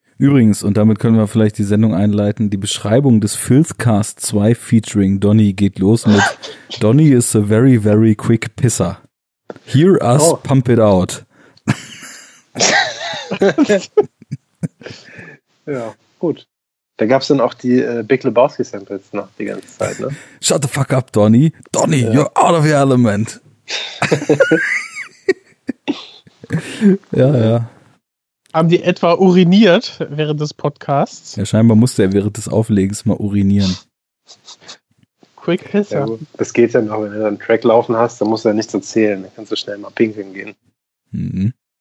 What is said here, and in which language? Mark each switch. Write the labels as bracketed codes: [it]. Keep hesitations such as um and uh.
[de] Übrigens, und damit können wir vielleicht die Sendung einleiten, die Beschreibung des Filzcast 2 featuring Donny geht los mit [en] Donny is a very, very quick pisser. Hear us Oh. pump it out. [de] Ja, gut. Da gab's dann auch die äh, Big Lebowski-Samples noch die ganze Zeit, ne? [en] Shut the fuck up, Donny. Donny, you're out of your element. [de] ja, ja. Haben die etwa uriniert während des Podcasts? Ja, scheinbar musste er während des Auflegens mal urinieren. [en] Quick Pisser. [de] Ja. gut. Das geht ja noch, wenn du dann einen Track laufen hast, dann musst du ja nichts erzählen. Dann kannst du schnell mal pinkeln gehen. Mhm.